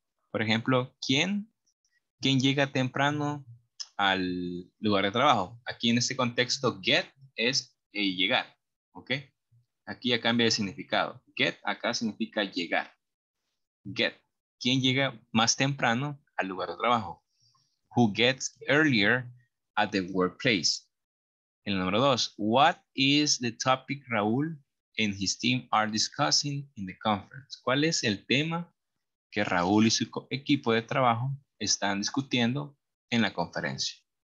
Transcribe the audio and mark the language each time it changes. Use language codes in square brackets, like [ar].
[es] Por ejemplo, ¿quién llega temprano al lugar de trabajo? Aquí en este contexto, get es llegar, ¿ok? Aquí ya cambia de significado. Get acá significa llegar. Get, ¿quién llega más temprano al lugar de trabajo? [en] Who gets earlier at the workplace? [es] El número 2, [en] what is the topic Raúl and his team are discussing in the conference? [es] ¿Cuál es el tema que Raúl y su equipo de trabajo están discutiendo en la conferencia?